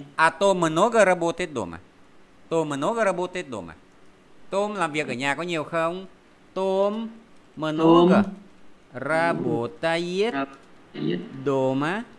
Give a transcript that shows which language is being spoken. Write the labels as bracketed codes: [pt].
[ru] А то много работает дома? То много работает дома? [vi] Том, làm việc ở nhà có nhiều không? [ru] Том много работает дома?